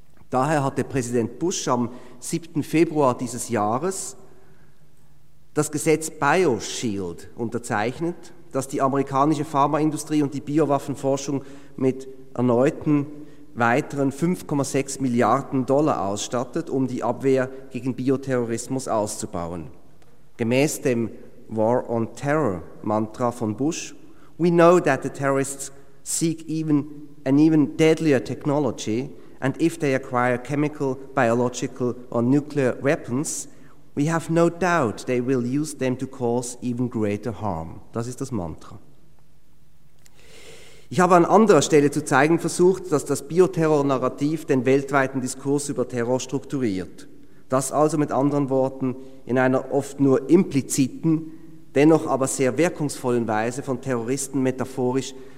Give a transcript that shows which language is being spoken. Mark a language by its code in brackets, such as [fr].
[de] Daher hatte Präsident Bush am 7. Februar dieses Jahres das Gesetz BioShield unterzeichnet, das die amerikanische Pharmaindustrie und die Biowaffenforschung mit erneuten weiteren 5,6 Milliarden Dollar ausstattet, um die Abwehr gegen Bioterrorismus auszubauen. Gemäß dem War on Terror-Mantra von Bush: [en] "We know that the terrorists seek an even deadlier technology, and if they acquire chemical, biological or nuclear weapons, we have no doubt they will use them to cause even greater harm." [de] Das ist das Mantra. Ich habe an anderer Stelle zu zeigen versucht, dass das Bioterror-Narrativ den weltweiten Diskurs über Terror strukturiert. Das also mit anderen Worten in einer oft nur impliziten, dennoch aber sehr wirkungsvollen Weise von Terroristen metaphorisch